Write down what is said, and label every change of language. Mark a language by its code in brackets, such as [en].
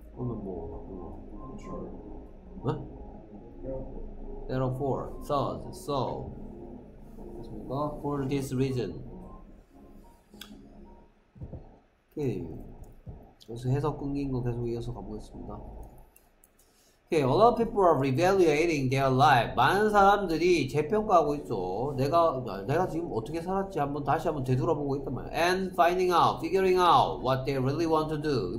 [ko] 그러면 뭐? 응? [en] Therefore, thus, so, for this reason. Okay. [ko] 그래서 해석 끊긴 거 계속 이어서 가보겠습니다. [en] Okay. A lot of people are revaluating their life. [ko] 많은 사람들이 재평가하고 있죠. 내가 지금 어떻게 살았지? 다시 한번 되돌아보고 있단 말이야. [en] And finding out, figuring out what they really want to do.